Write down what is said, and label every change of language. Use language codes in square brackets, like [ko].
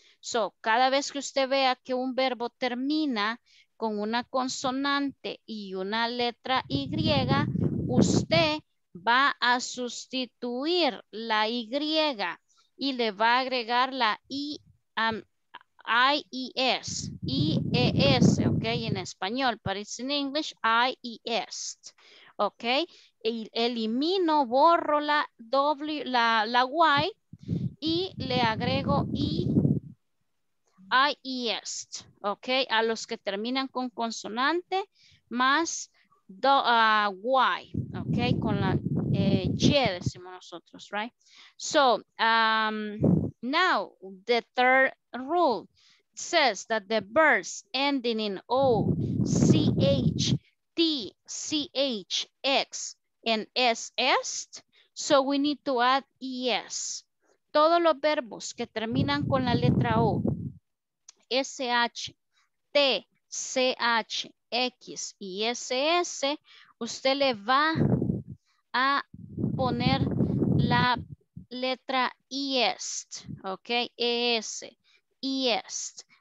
[es] So, cada vez que usted vea que un verbo termina con una consonante y una letra Y, usted va a sustituir la Y y le va a agregar la I-E-S, I-E-S, ok, en español, [en] but it's in English, [es] I-E-S, ok, elimino, borro la W, la Y y le agrego I, I-E-S, ok, a los que terminan con consonante más Y, ok, con la Y decimos nosotros, right? [en] So, now, the third rule says that the verbs ending in O, C-H, T, C-H, X, and S-S, so we need to add E-S. [es] Todos los verbos que terminan con la letra O, SH, T, CH, X y SS, usted le va a poner la letra IEST, ok, ES, IEST.